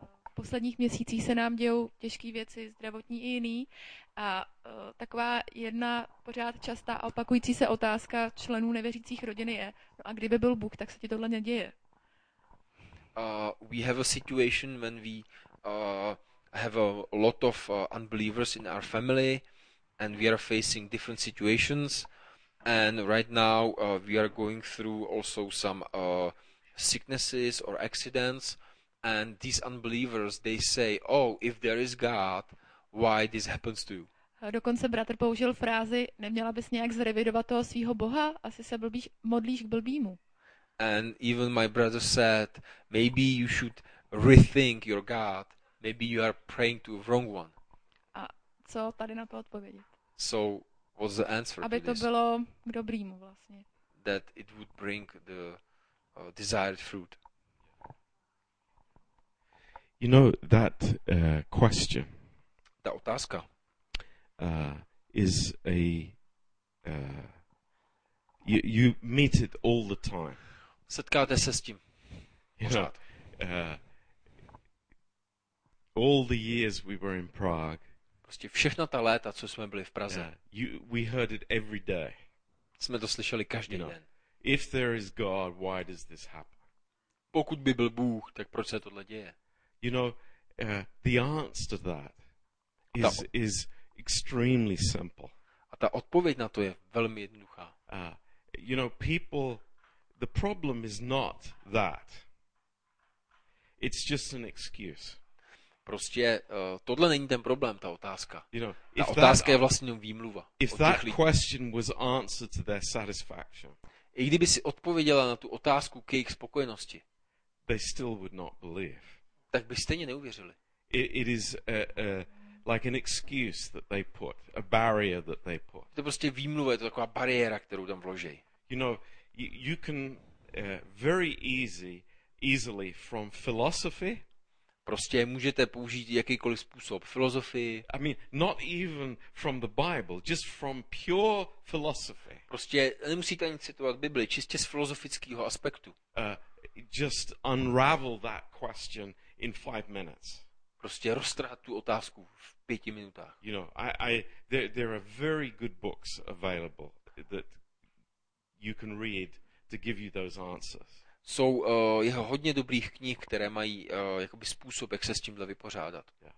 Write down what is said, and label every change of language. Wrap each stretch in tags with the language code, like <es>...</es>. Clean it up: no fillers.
<cs>V posledních měsících se nám dějou těžké věci, zdravotní i jiný. A taková jedna pořád častá a opakující se otázka členů nevěřících rodiny je, no a kdyby byl Bůh, tak se ti tohle neděje?</cs> <en>We have a situation when we have a lot of unbelievers in our family. And we are facing different situations, and right now we are going through also some sicknesses or accidents, and these unbelievers, they say, oh, if there is God, why this happens to you?</en> <cs>Dokonce bratr použil frázi, neměla bys nějak zrevidovat toho svýho Boha, asi se blbíš, modlíš k blbýmu.</cs> <en>And even my brother said, maybe you should rethink your God, maybe you are praying to the wrong one.</en> <cs>A co tady na to odpovědi?</cs> <en>So what's the answer?</en> <cs>Aby to bylo k dobrýmu vlastně.</cs> <en>That it would bring the desired fruit. You know that question.</en> <cs>Ta otázka.</cs> <en>Is a you meet it all the time.</en> <cs>Setkáte se s tím.</cs> <en>You know, all the years we were in Prague.</en> <cs>Všechna ta léta, co jsme byli v Praze.</cs> <en>Yeah, we heard it every day.</en> <cs>Jsme to slyšeli každý den.</cs> <en>If there is God, why does this happen?</en> <cs>Pokud by byl Bůh, tak proč se tohle děje?</cs> <en>You know, the answer to that is extremely simple.</en> <cs>A ta odpověď na to je velmi jednoduchá.</cs> <en>You know, people, the problem is not that. It's just an excuse.</en> <cs>Prostě tohle není ten problém, ta otázka.</cs> <en>You know,</en> <cs>ta otázka je vlastně jenom výmluva.</cs> <en>If that question was answered to their satisfaction,</en> <cs>i kdyby si odpověděla na tu otázku k jejich spokojenosti,</cs> <en>they still would not believe.</en> <cs>Tak by stejně neuvěřili.</cs> <en>It is like an excuse that they put, a barrier that they put.</en> <cs>To prostě výmluva, je to taková bariéra, kterou tam vloží.</cs> <en>You know, you can very easily from philosophy.</en> <cs>Prostě můžete použít jakýkoliv způsob filozofii.</cs> <en>I mean, not even from the Bible, just from pure philosophy.</en> <cs>Prostě nemusíte ani citovat Bibli, čistě z filozofického aspektu.</cs> <en>Just unravel that question in 5 minutes.</en> <cs>Prostě roztrhat tu otázku v 5 minutách.</cs> <en>You know, there are very good books available that you can read to give you those answers.</en> <cs>Jsou jeho hodně dobrých knih, které mají jakoby způsob, jak se s tímhle vypořádat.</cs>